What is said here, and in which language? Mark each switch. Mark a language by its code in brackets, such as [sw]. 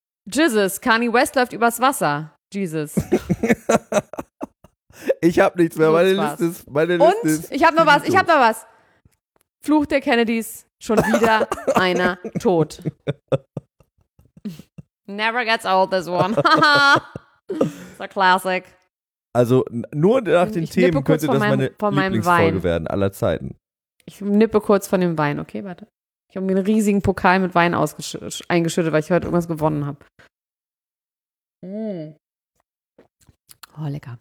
[de] Jizzes, Kanye West läuft übers Wasser. Jesus. Ich hab nichts mehr, meine Liste ist... Meine Und? Liste ist ich hab noch was, ich hab noch was. Fluch der Kennedys, schon wieder einer tot. [en] Never gets old, this one. It's a classic. [de] Also nur nach den Themen könnte das meine Lieblingsfolge werden aller Zeiten. Ich nippe kurz von dem Wein, okay, warte. Ich habe mir einen riesigen Pokal mit Wein eingeschüttet, weil ich heute irgendwas gewonnen habe. Mm. Oh, lecker.